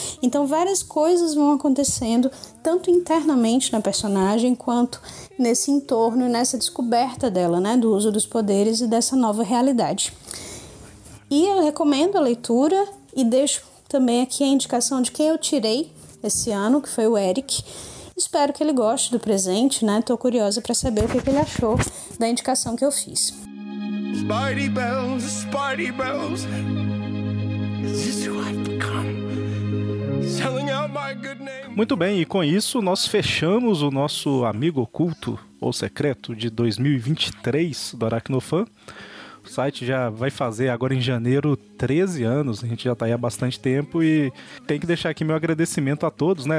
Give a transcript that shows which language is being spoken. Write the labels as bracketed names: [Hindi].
[Portuguese] Então várias coisas vão acontecendo, tanto internamente na personagem, quanto nesse entorno e nessa descoberta dela, né, do uso dos poderes e dessa nova realidade. E eu recomendo a leitura e deixo também aqui a indicação de quem eu tirei esse ano, que foi o Eric. Espero que ele goste do presente, né? Tô curiosa para saber o que ele achou da indicação que eu fiz. [English] Spidey bells, spidey bells. This is who I've become. Selling out my good name. [Portuguese] Muito bem, e com isso nós fechamos o nosso Amigo Oculto ou Secreto de 2023 do Aracnofan. O site já vai fazer agora em janeiro 13 anos, a gente já tá aí há bastante tempo e tem que deixar aqui meu agradecimento a todos, né?